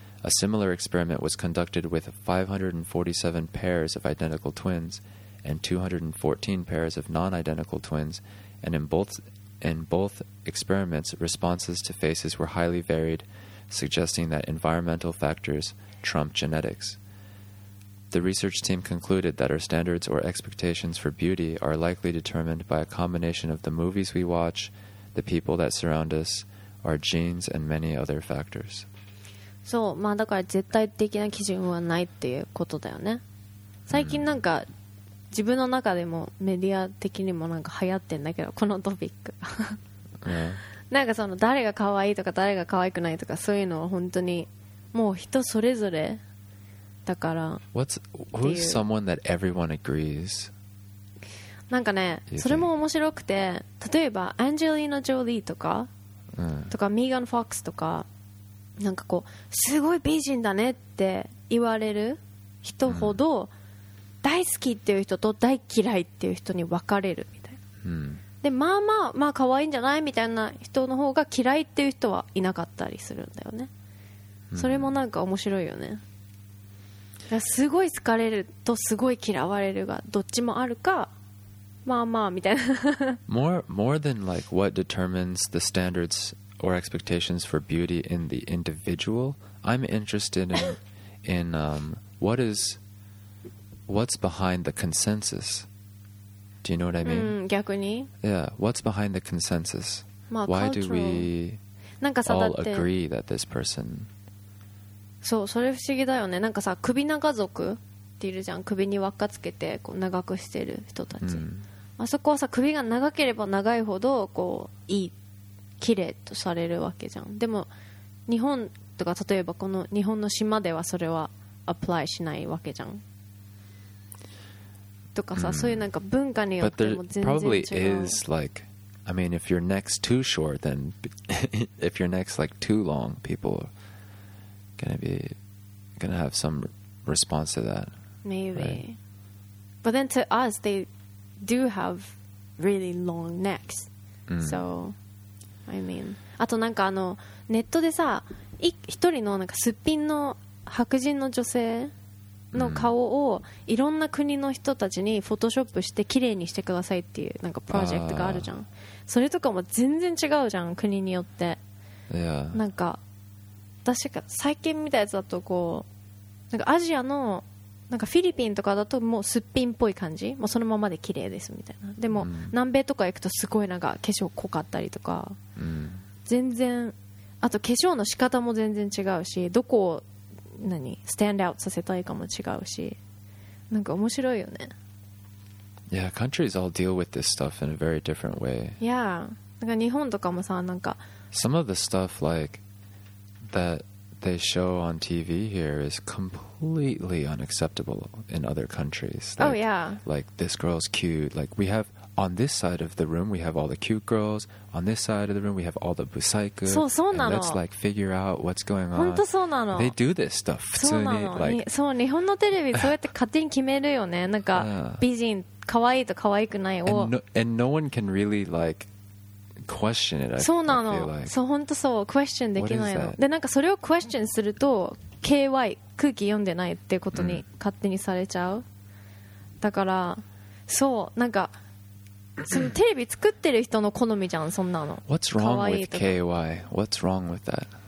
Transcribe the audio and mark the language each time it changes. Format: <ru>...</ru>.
<en>A similar experiment was conducted with 547 pairs of identical twins and 214 pairs of non-identical twins, and in both experiments, responses to faces were highly varied, suggesting that environmental factors trump genetics. The research team concluded that our standards or expectations for beauty are likely determined by a combination of the movies we watch, the people that surround us, our genes, and many other factors.</en> <ja>そう、まあだから絶対的な基準はないっていうことだよね。最近なんか自分の中でもメディア的にもなんか流行ってんだけど、このトピック。なんかその誰が可愛いとか誰が可愛くないとかそういうのは本当にもう人それぞれだから。</ja> <en>Who's someone that everyone agrees?</en> <ja>なんかね、それも面白くて、例えばアンジェリーナ・ジョリーとか、とかミーガン・フォックスとか、なんかこうすごい美人だねって言われる人ほど、大好きっていう人と大嫌いっていう人に分かれるみたいな。でまあまあまあ可愛いんじゃないみたいな人の方が嫌いっていう人はいなかったりするんだよね。それもなんか面白いよね。すごい好かれるとすごい嫌われるがどっちもあるか、まあまあみたいな。</ja> <en>more than like what determines the standards or expectations for beauty in the individual, I'm interested in what's behind the consensus. Do you know what I mean?</en> <ja>逆に?</ja> <en>Yeah, what's behind the consensus?</en> <ja>まあ、</ja> <en>Why cultural. do we all agree that this person?</en> <ja>そう、それ不思議だよね。なんかさ、首長族っているじゃん。首に輪っかつけてこう長くしてる人たち。あそこはさ、首が長ければ長いほどこういい、綺麗とされるわけじゃん。でも日本とか例えばこの日本の島ではそれはアプライしないわけじゃん。とかさ、そういうなんか文化によっても全然違う。</ja> <en>But there probably is like, I mean, if your neck's too short, then if your neck's like too long, people are gonna have some response to that. Maybe. Right? But then to us, they do have really long necks. So. I mean.</en> <ja>あとなんかあのネットでさ一人のなんかすっぴんの白人の女性の顔をいろんな国の人たちにフォトショップして綺麗にしてくださいっていうなんかプロジェクトがあるじゃん。それとかも全然違うじゃん国によって、</ja> <en>yeah.</en> <ja>なんか確か最近見たやつだとこうなんかアジアのなんかフィリピンとかだともうすっぴんっぽい感じ、もうそのままで綺麗ですみたいな。でも南米とか行くとすごいなんか化粧濃かったりとか、全然、あと化粧の仕方も全然違うし、どこを何スタンドアウトさせたいかも違うし、なんか面白いよね。</ja> <en>Yeah, countries all deal with this stuff in a very different way. Yeah,</en> <ja>なんか日本とかもさ、なんか</ja> <en>Some of the stuff like thatthey show on TV here is completely unacceptable in other countries. Like, oh, yeah. Like, this girl's cute. Like, we have, on this side of the room, we have all the cute girls. On this side of the room, we have all the busaiku.</en> <ja>そう、そうなの。</ja> <en>And let's, like, figure out what's going on.</en> <ja>本当そうなの。</ja> <en>They do this stuff.</en> <ja>普通に、</ja> <en>like,</en> <ja>そう、日本のテレビ、そうやって勝手に決めるよね。なんか、美人、可愛いと可愛くないを。</ja> <en>And no one can really, like,question it,</en> <ja>そうなの、</ja> <en>like.</en> <ja>そう本当そうクエスチョンできないの。でなんかそれをクエスチョンすると KY 空気読んでないってことに勝手にされちゃう。だからそうなんかそのテレビ作ってる人の好みじゃんそんなの。</ja> <en>What's wrong with KY? What's wrong with that?</en>